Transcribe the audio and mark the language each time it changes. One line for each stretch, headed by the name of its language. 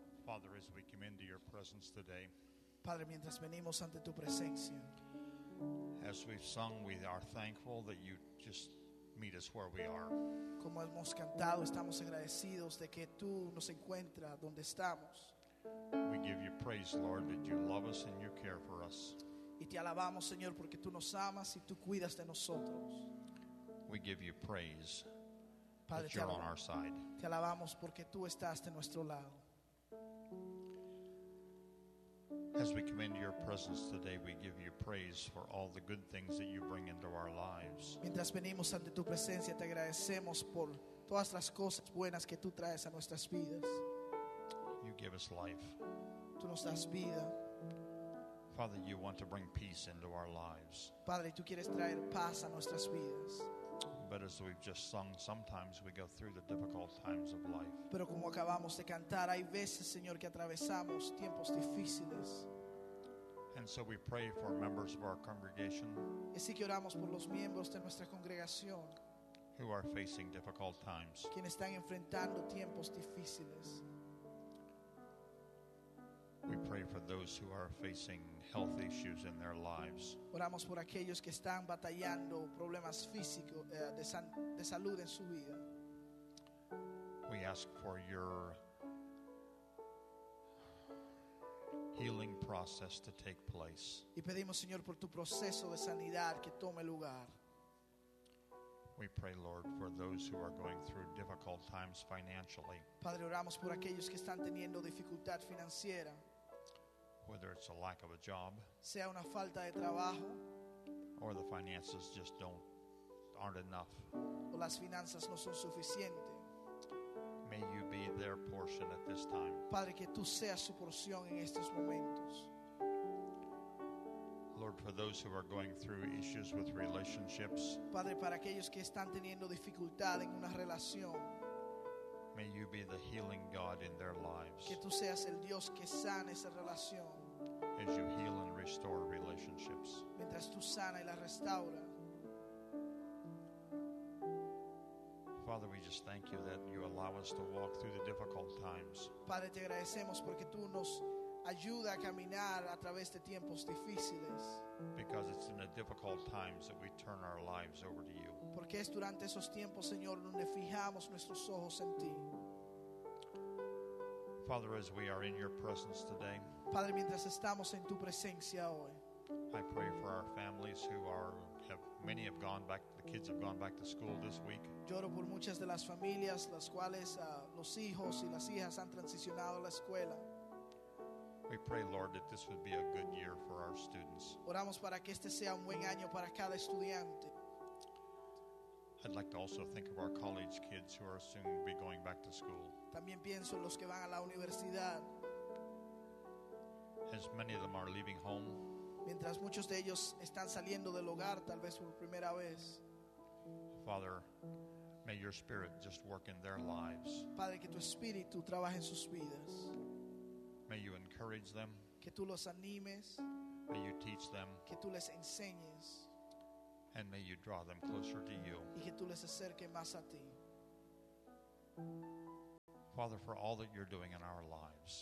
English: As we come into your presence today,
Spanish: Padre, mientras venimos ante tu presencia,
English: as we've sung, we are thankful that you just meet us where we are.
Spanish: Como hemos cantado, estamos agradecidos de que tú nos encuentras donde estamos.
English: We give you praise, Lord, that you love us and you care for us.
Spanish: Y te alabamos, Señor, porque tú nos amas y tú cuidas de nosotros.
English: We give you praise,
Spanish: Padre,
English: that you're on our side.
Spanish: Te alabamos porque tú estás de nuestro lado.
English: As we come into your presence today, we give you praise for all the good things that you bring into our lives.
Spanish: Mientras venimos ante tu presencia, te agradecemos por todas las cosas buenas que tú traes a nuestras vidas.
English: You give us life.
Spanish: Tú nos das vida.
English: Father, you want to bring peace into our lives.
Spanish: Padre, tú quieres traer paz a nuestras vidas.
English: But as we've just sung, sometimes we go through the difficult times of life.
Spanish: Pero como acabamos de cantar, hay veces, Señor, que atravesamos tiempos difíciles.
English: And so we pray for members of our congregation.
Spanish: Y así que oramos por los miembros de nuestra congregación.
English: Who are facing difficult times.
Spanish: Quienes están enfrentando tiempos difíciles.
English: We pray for those who are facing health issues in their lives.
Spanish: Oramos por aquellos que están batallando problemas físicos de salud en su vida.
English: We ask for your healing process to take place.
Spanish: Y pedimos, Señor, por tu proceso de sanidad que tome lugar.
English: We pray, Lord, for those who are going through difficult times financially.
Spanish: Padre, oramos por aquellos que están teniendo dificultad financiera.
English: Whether it's a lack of a job,
Spanish: sea una falta de trabajo,
English: or the finances just aren't enough,
Spanish: o las finanzas no son suficientes.
English: May you be their portion at this time.
Spanish: Padre, que tú seas su porción en estos momentos.
English: Lord, for those who are going through issues with relationships,
Spanish: Padre, para aquellos que están teniendo dificultad en una relación,
English: may you be the healing God in their lives.
Spanish: Que tú seas el Dios que sane esa relación.
English: As you heal and restore relationships,
Spanish: mientras tú sana y la restaura.
English: Father, we just thank you that you allow us to walk through the difficult times.
Spanish: Padre, te agradecemos porque tú nos ayuda a caminar a través de tiempos difíciles.
English: Because it's in the difficult times that we turn our lives over to you.
Spanish: Porque es durante esos tiempos, Señor, donde fijamos nuestros ojos en ti.
English: Father, as we are in your presence today,
Spanish: Padre, mientras estamos en tu presencia hoy,
English: I pray for our families who the kids have gone back to school this week.
Spanish: Lloro por muchas de las familias las cuales los hijos y las hijas han transicionado a la escuela.
English: We pray, Lord, that this would be a good year for our students.
Spanish: Oramos para que este sea un buen año para cada estudiante.
English: I'd like to also think of our college kids who are soon to be going back to school.
Spanish: También pienso en los que van a la universidad.
English: As many of them are leaving home,
Spanish: mientras muchos de ellos están saliendo del hogar, tal vez por primera vez.
English: Father, may your spirit just work in their lives.
Spanish: Padre, que tu espíritu trabaje en sus vidas.
English: May you encourage them.
Spanish: Que tú los animes.
English: May you teach them.
Spanish: Que tú les enseñes.
English: And may you draw them closer to you.
Spanish: Y que tú les acerque más a ti.
English: Father, for all that you're doing in our lives,